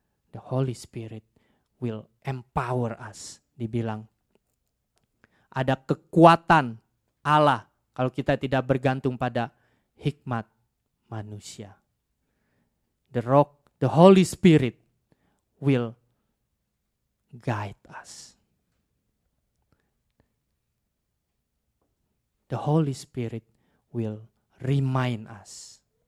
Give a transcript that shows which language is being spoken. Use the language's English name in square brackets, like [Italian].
[English] The Holy Spirit will empower us. [Indonesian] Dibilang ada kekuatan Allah kalau kita tidak bergantung pada hikmat manusia. [English] The rock, the Holy Spirit will guide us. The Holy Spirit will remind us.